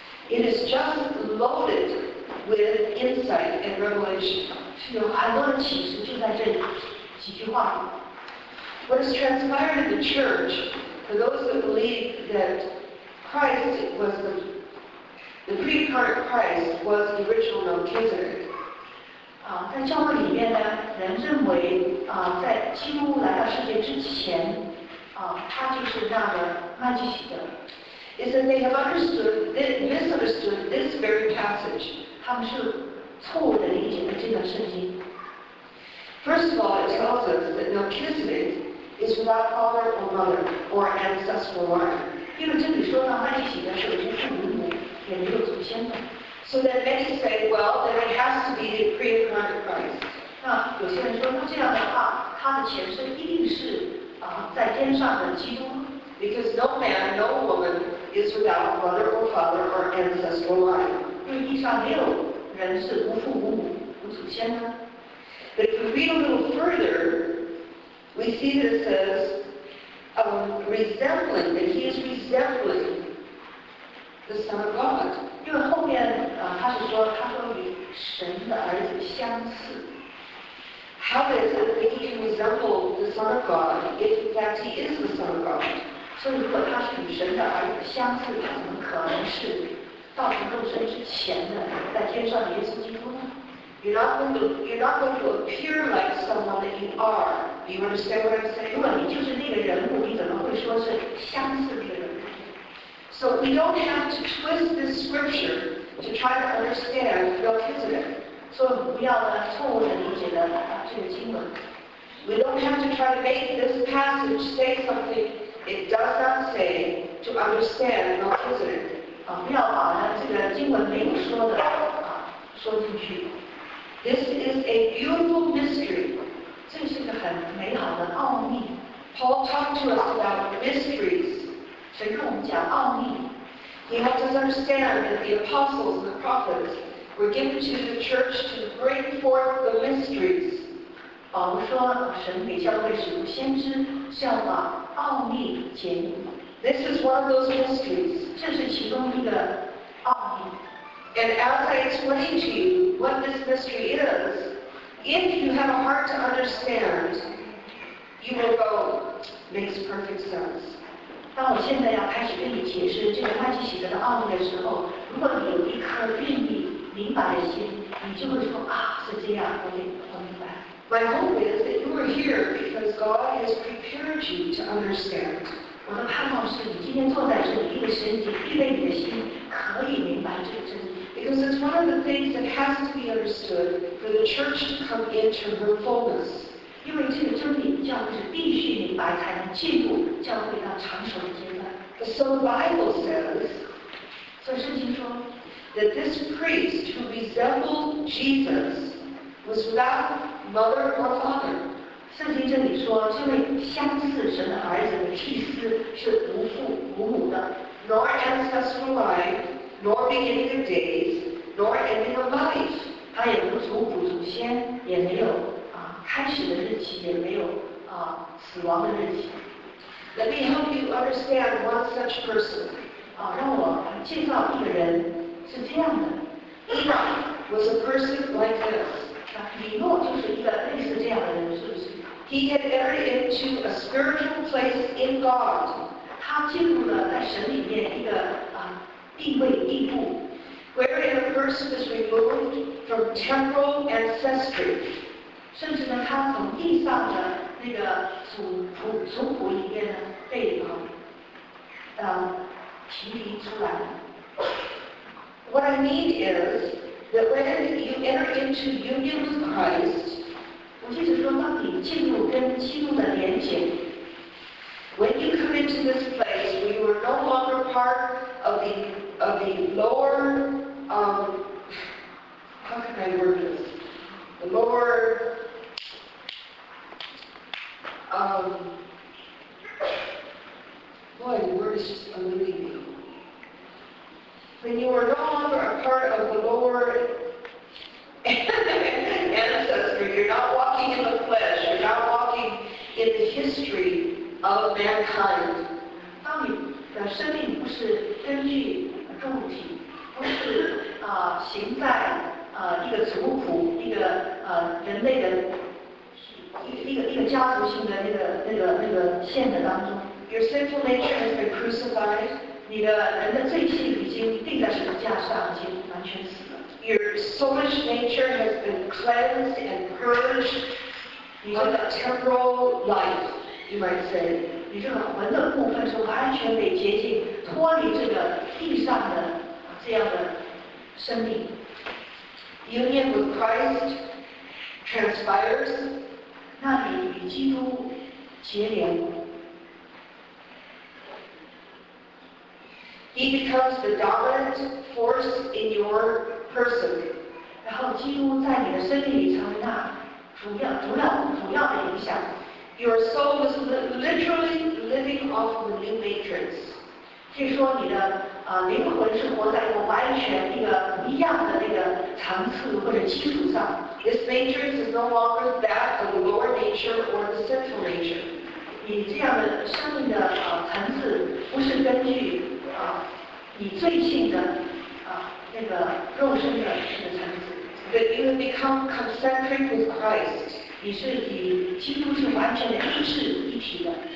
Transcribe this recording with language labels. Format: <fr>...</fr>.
<en>It is just loaded with insight and revelation.</en> <zh>是有很多的启示就在这里几句话。</zh> <en>What has transpired in the church for those that believe that Christ was the pre-incarnate Christ was the original Melchizedek？</en> <zh>啊，在教会里面呢，人认为啊，在基督来到世界之前啊，他就是那个麦基洗德。</zh> <en>Is that they have understood this misunderstood this very passage？</en> <zh>他们是。错误的理解了这段圣经。</zh> <en>First of all, it tells us that Melchizedek is without father or mother or ancestral line.</en> <zh>因为这里说到麦基洗德是无父无母，也没有祖先的。</zh> <en>So then many say, well, then it has to be the pre-incarnate Christ.</en> <zh>那有些人说，那这样的话，他的前身一定是啊在天上的基督。</zh> <en>Because no man, no woman is without mother or father or ancestral line.</en> <zh>因为地上没有。人是无父无母无祖先的。</zh> <en>But if we read a little further, we see that it says, resembling that he is resembling the Son of God.</en> <zh>因为后面啊，他是说他说与神的儿子相似。</zh> <en>How is it that he can resemble the Son of God if in fact he is the Son of God?</en> <zh>所以如果他是与神的儿子相似，他怎么可能是？道成肉身之前的，在天上的耶稣基督呢</zh> <en>？You're not going to appear like someone that you are. Do you understand what I'm saying?</en> <zh>如果你就是那个人物，你怎么会说是相似的人物</zh> <en>？So we don't have to twist this scripture to try to understand Melchizedek.</en> <zh>所以不要呢错误的理解了这个经文。</zh> <en>We don't have to try to make this passage say something it does not say to understand Melchizedek.</en> <zh>啊，不要把呢这个经文没有说的啊说进去。</zh> <en>This is a beautiful mystery.</en> <zh>这是一个很美好的奥秘。</zh> <en>Paul talked to us about mysteries.</en> <zh>神跟我们讲奥秘。</zh> <en>He helped us understand that the apostles and the prophets were given to the church to bring forth the mysteries.</en> <zh>保罗说，神给教会使徒先知是要把奥秘揭露。</zh> <en>This is one of those mysteries.</en> <zh>这是其中一个奥秘。</zh> <en>And as I explain to you what this mystery is, if you have a heart to understand, you will go, makes perfect sense.</en> <zh>当我现在要开始跟你解释这个麦基洗德的奥秘的时候，如果你有一颗愿意明白的心，你就会说啊，是这样，我明白。</zh> <en>My hope is that you are here because God has prepared you to understand.</en> <zh>我的盼望是你今天坐在这里，因为神已经预备你的心可以明白这个真理。</zh> <en>Because it's one of the things that has to be understood for the church to come into her fullness.</en> <zh>因为这个真理，教会是必须明白才能进入教会到成熟的阶段。</zh> <en>The Bible says,</en> <zh>所以圣经说</zh> <en>，that this priest who resembled Jesus was without mother or father。</en> <zh>圣经这里说，这位相似神的儿子的祭司是无父无母的。</zh> <en>Nor ancestral line, nor beginning of days, nor ending of life。</en> <zh>他也无祖母祖先，也没有。开始的日期也没有啊，死亡的日期。</zh> <en>Let me help you understand one such person.</en> <zh>啊，让我介绍一个人是这样的。</zh> <en>Enoch was a person like this.</en> <zh>啊，以诺就是一个类似这样的人，是不是</zh> <en>？He had entered into a spiritual place in God.</en> <zh>他进入了在神里面一个啊地位地步。</zh> <en>Wherein a person is removed from temporal ancestry.</en> <zh>甚至呢，他从地上的那个祖谱里面呢被啊，提离出来。</zh> <en>What I mean is that when you enter into union with Christ，</en> <zh>我就是说，当你进入跟基督的连结</zh> <en>，When you come into this place where you are no longer part of the lower how can I word this the lower boy, the word is just eluding me. When you are no longer a part of the lower ancestry, you're not walking in the flesh, you're not walking in the history of mankind.</en> <zh>当你的生命不是根据肉体，不是行在一个族谱，一个人类的。一个家族性的那个线的当中</zh> <en>，Your sinful nature has been crucified.</en> <zh>你的人的罪性已经钉在十字架上，已经完全死了。</zh> <en>Your soulish nature has been cleansed and purged.</en> <zh>你这个</zh> <en>temporal life, you might say,</en> <zh>你这个魂的部分是完全被洁净，脱离这个地上的这样的生命。</zh> <en>Union with Christ transpires.</en> <zh>那里与基督结连。</zh> <en>He becomes the dominant force in your person.</en> <zh>然后基督在你的身体里成为那主要的影响。</zh> <en>Your soul is literally living off of the new matrix.</en> <zh>据说你的灵魂是活在一个完全一个不一样的那个层次或者基础上。</zh> <en>This matrix is no longer that of the lower nature or the sinful nature.</en> <zh>你这样的生命的层次不是根据你最近的那个肉身的层次。</zh> <en>That you have become concentric with Christ.</en> <zh>你是与基督是完全的一致一体的。</zh>